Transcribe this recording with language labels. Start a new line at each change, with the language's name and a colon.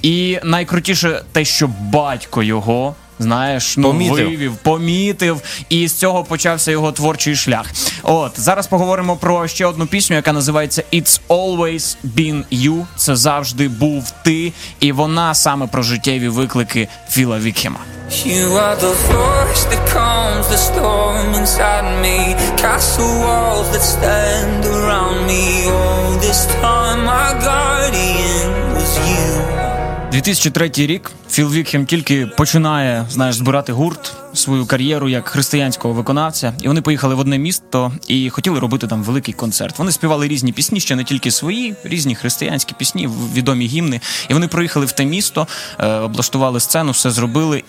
Ukrainian: І найкрутіше те, що батько його, знаєш, ну, вивів, помітив, і з цього почався його творчий шлях. От, зараз поговоримо про ще одну пісню, яка називається «It's always been you», це завжди був ти, і вона саме про життєві виклики Філа Віхема.
English: You are the voice that calms the storm inside me. Castle walls that stand around me. All this time my guardian was you.
Ukrainian: 2003 рік. Філ Віхем тільки починає, знаєш, збирати гурт, свою кар'єру як християнського виконавця. І вони поїхали в одне місто і хотіли робити там великий концерт. Вони співали різні пісні, ще не тільки свої, різні християнські пісні, відомі гімни. І вони приїхали в те місто, облаштували сцену, все зробили.